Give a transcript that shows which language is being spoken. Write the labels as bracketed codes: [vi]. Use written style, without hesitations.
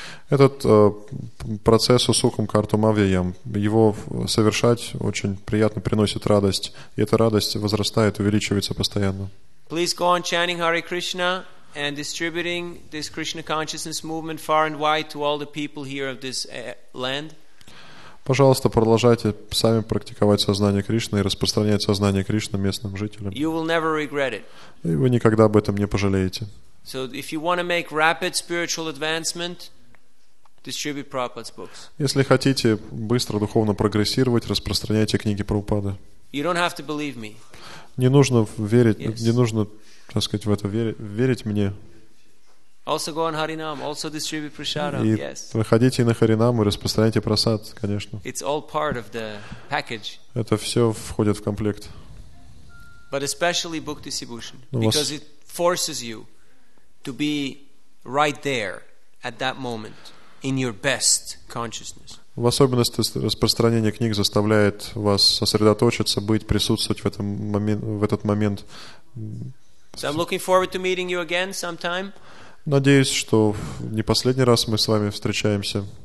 [ru] Этот процесс [sa] susukam kartum avyayam, [ru] его совершать очень приятно, приносит радость, и эта радость возрастает, увеличивается постоянно. [en] Please go on chanting Hare Krishna and distributing this Krishna consciousness movement far and wide to all the people here of this land. [ru] Пожалуйста, продолжайте сами практиковать сознание Кришны и распространять сознание Кришны местным жителям. [en] You will never regret it. [ru] И вы никогда об этом не пожалеете. [en] So if you want to make rapid spiritual advancement, distribute Prabhupada's books. [ru] Если хотите быстро духовно прогрессировать, распространяйте книги Прабхупады. [en] You don't have to believe me. [ru] Не нужно верить, yes. Не нужно, так сказать, в это верить мне. [en] Also go on Harinam, also distribute prasadam. [ru] И [en] yes. [ru] Выходите на Харинам и распространяйте прасад, конечно. [en] It's all part of the package. [ru] Это все входит в комплект. [en] But especially book distribution, because it forces you to be right there at that moment in your best consciousness. [ru] В особенности распространение книг заставляет вас сосредоточиться, быть, присутствовать в этом момент, в этот момент. [en] So I'm looking forward to meeting you again sometime. [ru] Надеюсь, что не последний раз мы с вами встречаемся.